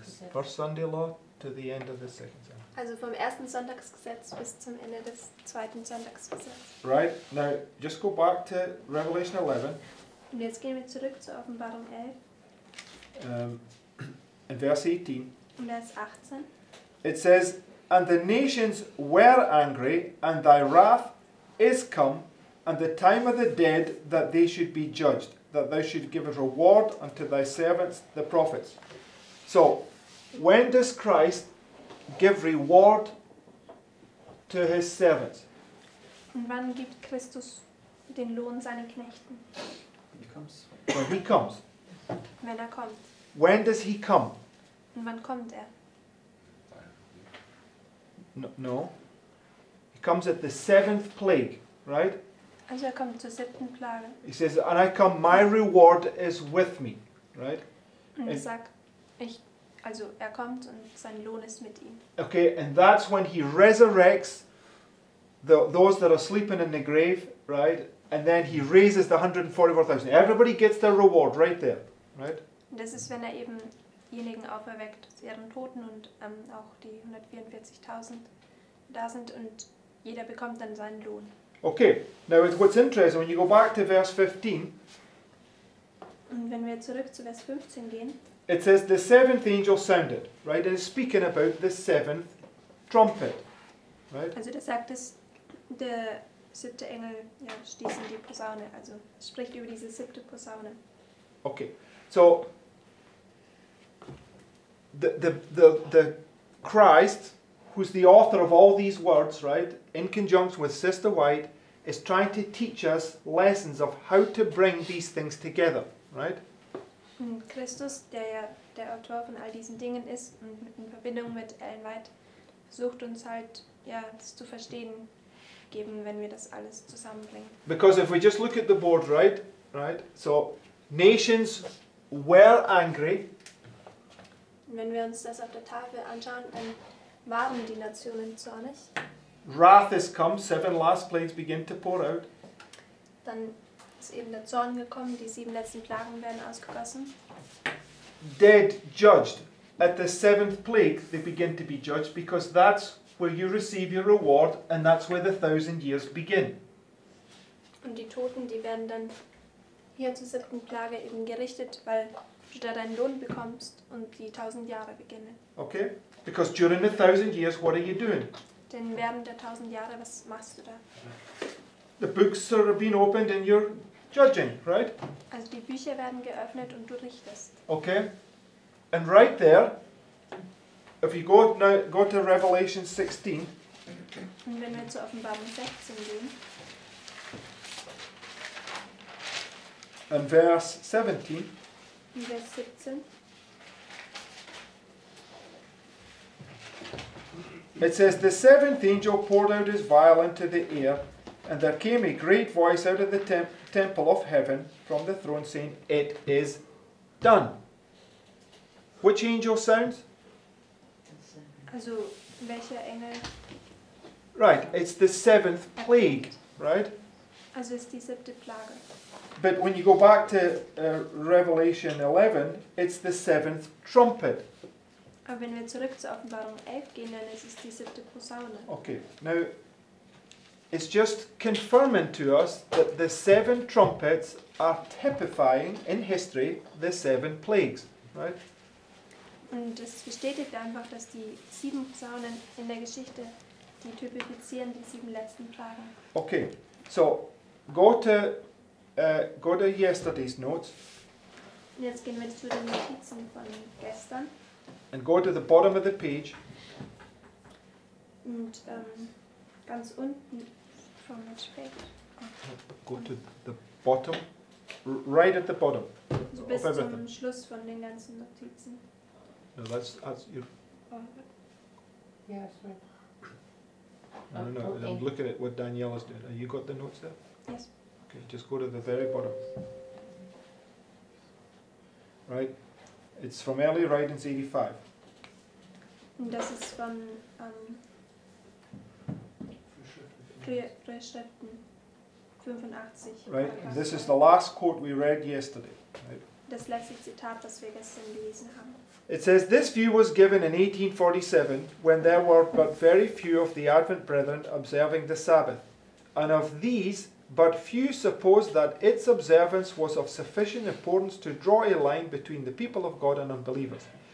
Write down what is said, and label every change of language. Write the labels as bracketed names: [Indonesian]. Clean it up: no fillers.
[English] First Sunday law to the end of the second Sunday. [German] Also vom ersten Sonntagsgesetz bis zum Ende des zweiten Sonntagsgesetzes. [English] Right, now just go back to Revelation 11. [German] Und jetzt gehen wir zurück zur Offenbarung 11. In Vers 18. Und Vers 18. [English] It says, and the nations were angry, and thy wrath is come, and the time of the dead that they should be judged, that thou should give a reward unto thy servants the prophets. So, when does Christ give reward to his servants? [German] Und wann gibt Christus den Lohn seinen Knechten? [English] When he comes. [German] Wenn er kommt. [English] When does he come? [German] Und wann kommt er? [English] No. He comes at the seventh plague, right? [German] Also er kommt zur siebten Plage. [English] He says, and I come, my reward is with me, right? [German] Und er sagt, also er kommt und sein Lohn ist mit ihm. [English] Okay, and that's when he resurrects those that are sleeping in the grave, right? And then he raises the 144,000. Everybody gets their reward right there, right? [German] Das ist, wenn er eben diejenigen auferweckt aus ihren Toten und auch die 144,000 da sind und jeder bekommt dann seinen Lohn. [English] Okay, now what's interesting, when you go back to verse 15. [German] Und wenn wir zurück zu Vers 15 gehen. [English] It says, the seventh angel sounded, right? And it's speaking about the seventh trumpet, right? [German] Also das sagt es, der siebte Engel, ja, stießen die Posaune, also spricht über diese siebte Posaune. [English] Okay, so the Christ, who's the author of all these words, right, in conjunction with Sister White, is trying to teach us lessons of how to bring these things together, right? [German] Und Christus, der ja der Autor von all diesen Dingen ist und in Verbindung mit Ellen White, versucht uns halt, ja, das zu verstehen. Geben, wenn wir das alles zusammenbringen. [English] Because if we just look at the board, right, so nations were angry. [German] Wenn wir uns das auf der Tafel anschauen, dann waren die Nationen zornig. [English] Wrath has come, seven last plagues begin to pour out. [German] Dann ist eben der Zorn gekommen, die sieben letzten Plagen werden ausgegossen. [English] Dead judged. At the seventh plague, they begin to be judged, because that's where you receive your reward, and that's where the thousand years begin. [German] Und die Toten, die werden dann hier zur siebten Plage eben gerichtet, weil du da deinen Lohn bekommst und die tausend Jahre beginnen. [English] Okay, because during the thousand years, what are you doing? [German] Denn während der tausend Jahre, was machst du da? [English] The books are being opened and you're judging, right? [German] Also die Bücher werden geöffnet und du richtest. [English] Okay, and right there, if you go now, go to Revelation 16. [German] Und wenn wir zur Offenbarung 16 gehen. [English] And verse 17. [German] In Vers 17. [English] It says, the seventh angel poured out his vial into the air, and there came a great voice out of the temple of heaven from the throne saying, it is done. Which angel sounds? [German] Also, welcher Engel? [English] Right, it's the seventh plague, right? [German] Also, ist die siebte Plage. [English] But when you go back to Revelation 11, it's the seventh trumpet. [German] Aber wenn wir zurück zur Offenbarung 11 gehen, dann ist es die siebte Posaune. [English] Okay, now, it's just confirming to us that the seven trumpets are typifying in history the seven plagues, right? [German] Und das bestätigt einfach, dass die sieben Posaunen in der Geschichte, die typifizieren die sieben letzten Plagen. [English] Okay, so, go to yesterday's notes. [German] Und jetzt gehen wir zu den Notizen von gestern. [English] And go to the bottom of the page. [German] Und ganz unten [English] from which page? Go to the bottom, right at the bottom. [German] So bis zum Schluss von den ganzen Notizen. [English] No, that's as you. Yeah, sorry. No. Okay. I'm looking at what Daniela's doing. Have you got the notes there? Yes. Okay, just go to the very bottom. Right. It's from early writings, 85. [German] Und das ist von Frühschriften, 85. [English] Right. And this is the last quote we read yesterday. Right. [German] Das letzte Zitat, das wir gestern gelesen haben. [English] It says, this view was given in 1847, when there were but very few of the Advent Brethren observing the Sabbath. And of these, but few supposed that its observance was of sufficient importance to draw a line between the people of God and unbelievers.